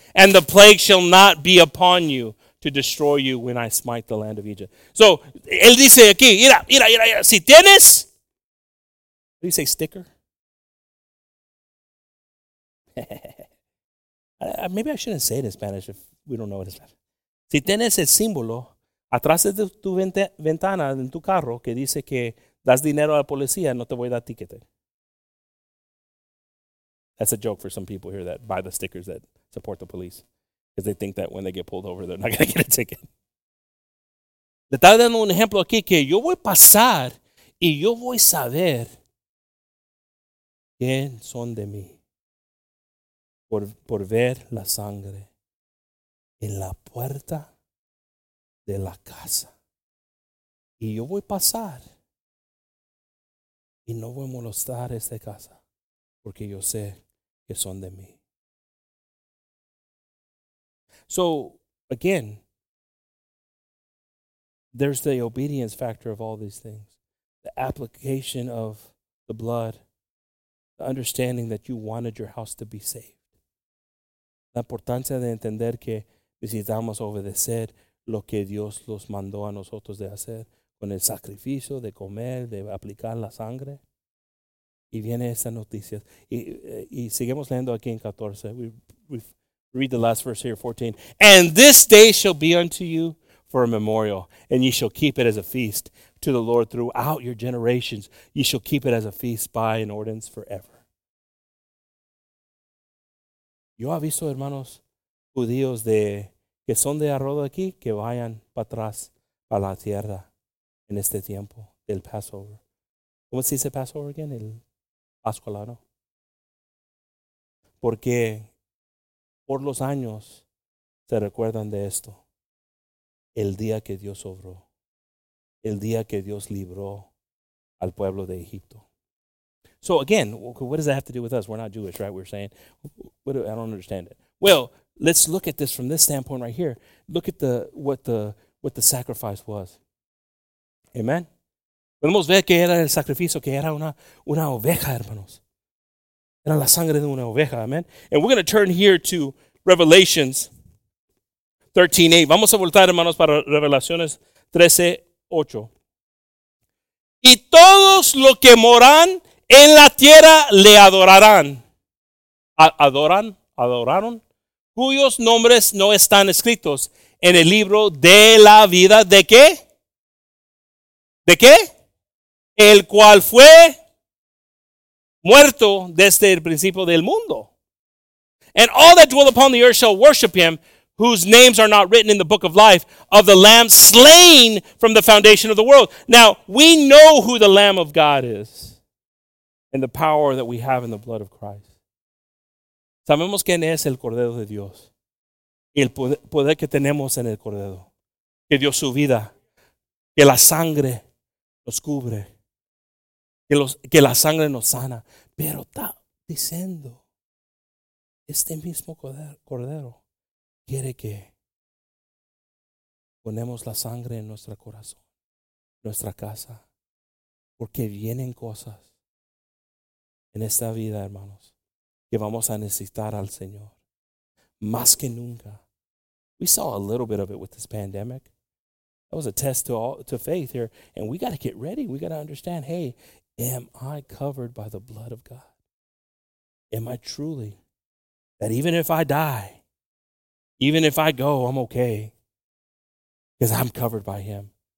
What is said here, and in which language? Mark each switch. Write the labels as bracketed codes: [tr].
[en] And the plague shall not be upon you to destroy you when I smite the land of Egypt. [es] So, él dice aquí, mira, si tienes, [en] what do you say, sticker? Maybe I shouldn't say it in Spanish if we don't know what it's like. [es] Si tienes el símbolo atrás de tu ventana en tu carro que dice que das dinero a la policía, no te voy a dar ticket. [en] That's a joke for some people here that buy the stickers that support the police, because they think that when they get pulled over, they're not going to get a ticket. [es] Le está dando un ejemplo aquí que yo voy a pasar y yo voy a saber quién son de mí por ver la sangre en la puerta de la casa. Y yo voy a pasar y no voy a molestar esta casa porque yo sé que son de mí. [en] So, again, there's the obedience factor of all these things. The application of the blood. The understanding that you wanted your house to be saved. [es] La importancia de entender que necesitamos obedecer lo que Dios los mandó a nosotros de hacer. Con el sacrificio de comer, de aplicar la sangre. Y viene esa noticia. Y seguimos leyendo aquí en 14. [en] Read the last verse here, 14. And this day shall be unto you for a memorial, and ye shall keep it as a feast to the Lord throughout your generations. Ye shall keep it as a feast by an ordinance forever. [es] Yo he visto hermanos judíos de que son de arroz aquí que vayan para atrás a la tierra en este tiempo del Passover. ¿Cómo se dice Passover again? El Pascualano. Porque por los años se recuerdan de esto. El día que Dios obró. El día que Dios libró al pueblo de Egipto. [en] So again, what does that have to do with us? We're not Jewish, right? We're saying, what do, I don't understand it. Well, let's look at this from this standpoint right here. Look at what the sacrifice was. Amen? [es] Podemos ver que era el sacrificio, que era una oveja, hermanos. Era la sangre de una oveja, amen. [en] And we're going to turn here to Revelations 13:8. [es] Vamos a voltar, hermanos, para Revelaciones 13:8. Y todos los que moran en la tierra le adorarán. Adoraron, cuyos nombres no están escritos en el libro de la vida. ¿De qué? ¿De qué? El cual fue muerto desde el principio del mundo. [en] And all that dwell upon the earth shall worship him whose names are not written in the book of life of the Lamb slain from the foundation of the world. Now, we know who the Lamb of God is and the power that we have in the blood of Christ. [es] Sabemos quién es el Cordero de Dios. y el poder que tenemos en el Cordero, que dio su vida, que la sangre nos cubre, que la sangre nos sana. Pero está diciendo, este mismo Cordero quiere que ponemos la sangre en nuestro corazón, nuestra casa, porque vienen cosas en esta vida, hermanos, que vamos a necesitar al Señor más que nunca. [en] We saw a little bit of it with this pandemic. That was a test to faith here. And we got to get ready. We got to understand, hey, am I covered by the blood of God? Am I truly, that even if I die, even if I go, I'm okay, because I'm covered by him.